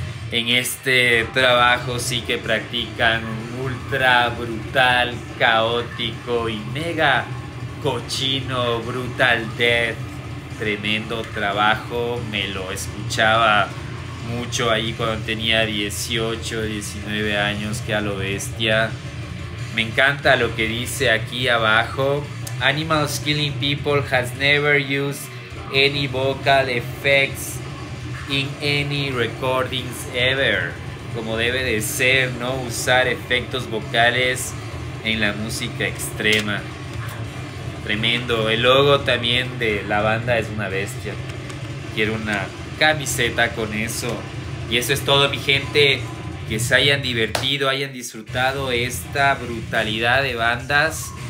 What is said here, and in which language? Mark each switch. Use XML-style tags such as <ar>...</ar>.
<es>en este trabajo sí que practican un ultra brutal, caótico y mega cochino, brutal death. Tremendo trabajo, me lo escuchaba mucho ahí cuando tenía 18, 19 años, que a lo bestia. Me encanta lo que dice aquí abajo.</es> <en>Animals killing people has never used any vocal effects in any recordings ever.</en> <es>Como debe de ser, ¿no? Usar efectos vocales en la música extrema. Tremendo. El logo también de la banda es una bestia. Quiero una camiseta con eso. Y eso es todo, mi gente. Que se hayan divertido, hayan disfrutado esta brutalidad de bandas.</es>